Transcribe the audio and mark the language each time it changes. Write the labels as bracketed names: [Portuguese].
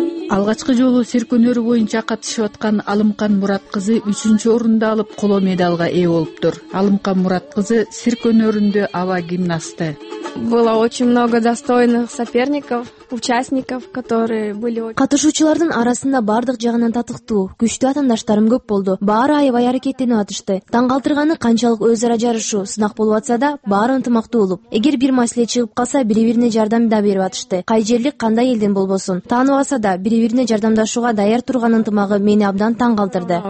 [Kyrgyz] Алгачкы жолу сирк өнөрү боюнча катышып аткан Алымкан Мурат кызы 3-чү орунду алып, коло медалга ээ болуптур. Алымкан Мурат кызы сирк өнөрүндө аба гимнасты. [Russian] Было очень много достойных соперников, участников, которые были. [Kyrgyz] Катышуучулардын арасында бардык жагынан татыктуу, күчтүү атаандаштарым көп болду. Баары аябай аракеттенип атышты. Таң калтырганы канчалык өз ара жарышуу, сынак болуп атса да, баары ынтымактуу болуп, эгер бир маселе чыгып калса, бири-бирине жардам да берип атышты. Кай жерлик, кандай элден болбосун, таанып алса да, бири-бирине жардамдашууга даяр турган ынтымагы мени абдан таң калтырды.